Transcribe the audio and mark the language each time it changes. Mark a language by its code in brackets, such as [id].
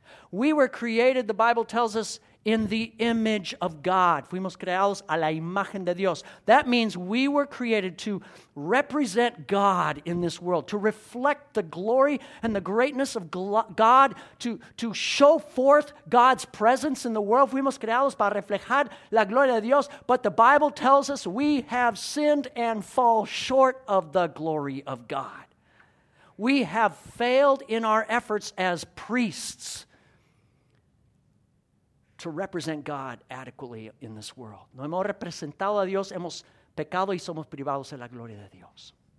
[en] We were created, the Bible tells us, in the image of God. [es] Fuimos creados a la imagen de Dios. [en] That means we were created to represent God in this world, to reflect the glory and the greatness of God, to show forth God's presence in the world. [es] Fuimos creados para reflejar la gloria de Dios. [en] But the Bible tells us we have sinned and fall short of the glory of God. We have failed in our efforts as priests to represent God adequately in this world. [es] No hemos representado a Dios, hemos pecado y somos privados de la gloria de Dios.